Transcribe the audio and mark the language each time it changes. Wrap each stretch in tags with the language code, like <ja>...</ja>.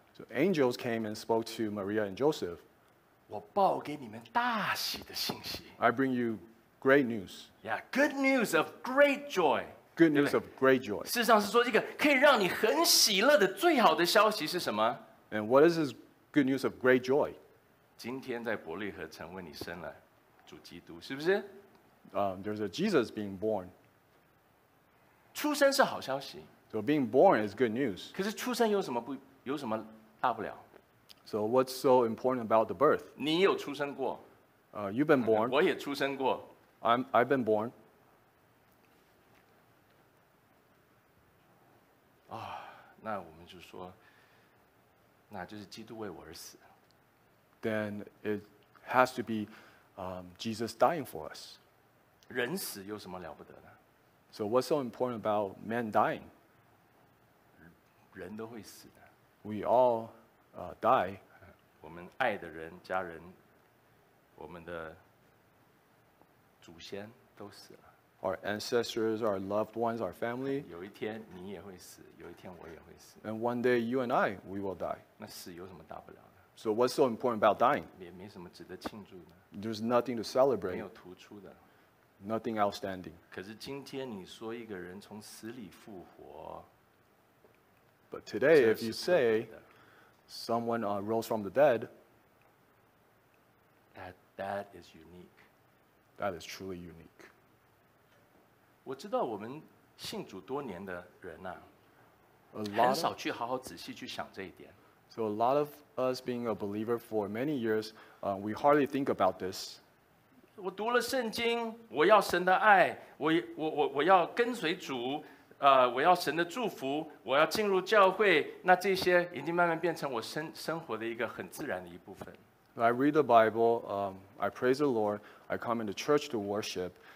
<en>So angels came and spoke to Maria and Joseph.</en> <zh>我报给你们大喜的信息。</zh> <en>I bring you great news. Yeah, good news of great joy. Good news of great joy.</en> <zh>事实上是说一个可以让你很喜乐的最好的消息是什么？</zh> <en>And what is this good news of great joy?</en> <zh>今天在伯利恒城为你生了主基督，是不是？</zh> <en>There's a Jesus being born.</en> <zh>出生是好消息。</zh> <en>So being born is good news.</en> <zh>可是出生有什么不？有什么大不了?</zh> <en>So what's so important about the birth?</en> <zh>你有出生过。</zh> <en>You've been born.</en> <zh>我也出生过。</zh> <en>I've been born.</en> <zh>啊，那我们就说，那就是基督为我而死。</zh> <en>Then it has to be Jesus dying for us.</en> <zh>人死有什么了不得的?</zh> <en>So what's so important about man dying?</en> <zh>人都会死的。</zh> <en>We all die.</en> <zh>我们爱的人、家人、我们的祖先都死了。</zh> <en>Our ancestors, our loved ones, our family.</en> <zh>有一天你也会死，有一天我也会死。</zh> <en>And one day you and I, we will die.</en> <zh>那死有什么大不了的？</zh> <en>So what's so important about dying?</en> <zh>也没什么值得庆祝的,</zh> <en>There's nothing to celebrate.</en> <zh>没有突出的,</zh> <en>nothing outstanding.</en> <zh>可是今天你说一个人从死里复活,</zh> <en>but today, if you say someone rose from the dead, that is unique. That is truly unique.</en> <zh>我知道我们信主多年的人啊,</zh> <en>A lot of us being a believer for many years, we hardly think about this.</en> <zh>我读了圣经, 我要神的爱, 我要跟随主, 我要神的祝福, 我要进入教会, 那这些已经慢慢变成我生活的一个很自然的一部分。</zh> <en>I read the Bible, I praise the Lord, I come into church to worship.</en>